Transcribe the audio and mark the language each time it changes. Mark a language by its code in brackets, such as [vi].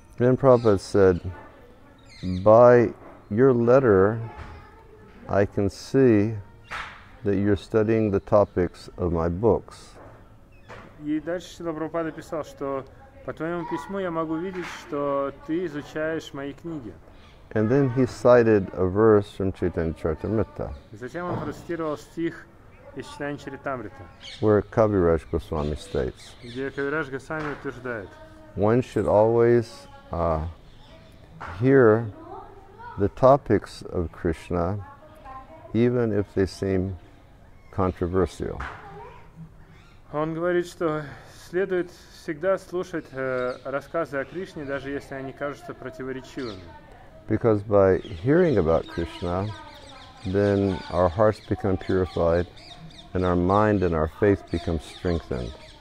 [en] Then Prabhupada said, by your letter, I can see that you're studying the topics of my books. [ru] И дальше Шрила Прабхупада писал, что по твоему письму я могу видеть, что ты изучаешь мои книги. [en] And then he cited a verse from Chaitanya Charitamrita. [ru] И затем он процитировал стих из Читания Чаритамрита. [en] Where Kaviraj Goswami states. [ru] Где Кавирадж Госвами утверждает. [en] One should always hear the topics of Krishna, even if they seem controversial. [ru] Он говорит, что следует всегда слушать рассказы о Кришне, даже если они кажутся противоречивыми. [en] Because by hearing about Krishna, then our hearts become purified, and our mind and our faith become strengthened.